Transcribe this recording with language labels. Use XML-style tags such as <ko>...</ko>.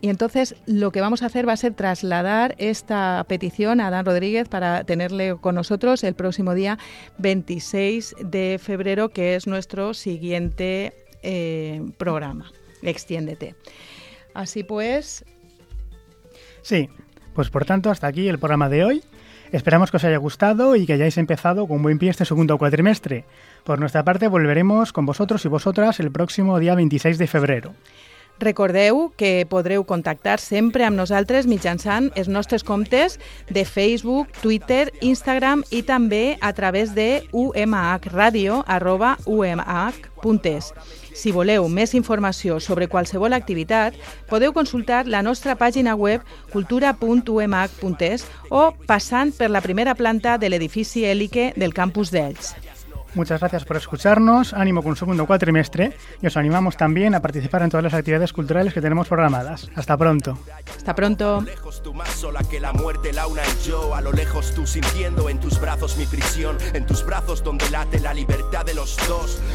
<es>Y entonces lo que vamos a hacer va a ser trasladar esta petición a Dan Rodríguez para tenerle con nosotros el próximo día 26 de febrero, que es nuestro siguiente programa, Extiéndete. Así pues. Sí, pues por tanto hasta aquí el programa de hoy. Esperamos que os haya gustado y que hayáis empezado con buen pie este segundo cuatrimestre. Por nuestra parte, volveremos con vosotros y vosotras el próximo día 26 de febrero.</es> <ca>Recordeu que podreu contactar sempre amb nosaltres mitjançant els nostres comptes de Facebook, Twitter, Instagram i també a través de umhradio@umh.es. Si voleu més informació sobre qualsevol activitat, podeu consultar la nostra pàgina web cultura.umh.es o passant per la primera planta de l'edifici Elique del campus d'Elx.</ca> <es>Muchas gracias por escucharnos, ánimo con el segundo cuatrimestre y os animamos también a participar en todas las actividades culturales que tenemos programadas. Hasta pronto. Hasta pronto. A lo lejos tú más sola que la muerte, la una y yo. A lo lejos tú sintiendo en tus brazos mi prisión, en tus brazos donde late la libertad de los dos.</es>